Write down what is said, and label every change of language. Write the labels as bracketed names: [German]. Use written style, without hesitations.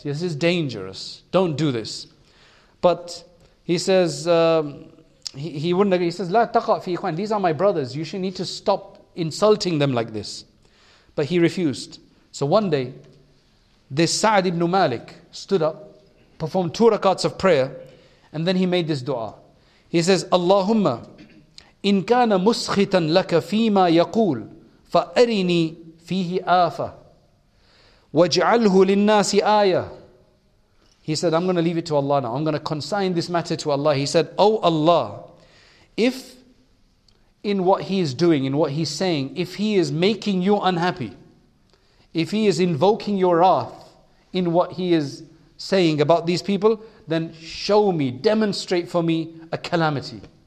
[English] This is dangerous. Don't do this. But he says, he wouldn't agree. He says, [Arabic] لا تقع في إخوان. [English] These are my brothers. You should need to stop insulting them like this. But he refused. So one day, this Sa'd ibn Malik stood up, performed 2 rakats of prayer, and then he made this dua. He says, Allahumma [Arabic] إن كان مسخطا لك فيما يقول فأرني فيه آفة واجعله للناس آية. [English] He said, I'm going to leave it to Allah now. I'm going to consign this matter to Allah. He said, O Allah, if in what he is doing, in what he's saying, if he is making you unhappy, if he is invoking your wrath in what he is saying about these people, then show me, demonstrate for me a calamity.